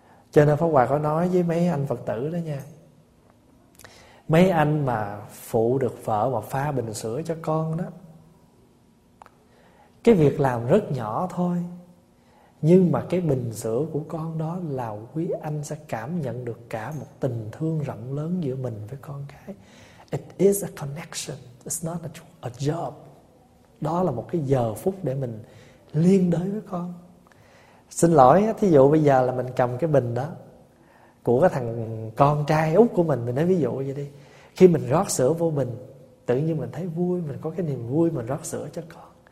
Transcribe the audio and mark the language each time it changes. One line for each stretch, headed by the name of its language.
Vietnamese: Cho nên Pháp Hòa có nói với mấy anh Phật tử đó nha, mấy anh mà phụ được vợ mà pha bình sữa cho con đó, cái việc làm rất nhỏ thôi, nhưng mà cái bình sữa của con đó là quý anh sẽ cảm nhận được cả một tình thương rộng lớn giữa mình với con cái.
English: It is a connection, it's not a job.
Vietnamese: Đó là một cái giờ phút để mình liên đới với con. Xin lỗi, thí dụ bây giờ là mình cầm cái bình đó của cái thằng con trai út của mình nói ví dụ vậy đi. Khi mình rót sữa vô bình, tự nhiên mình thấy vui, mình có cái niềm vui mình rót sữa cho con.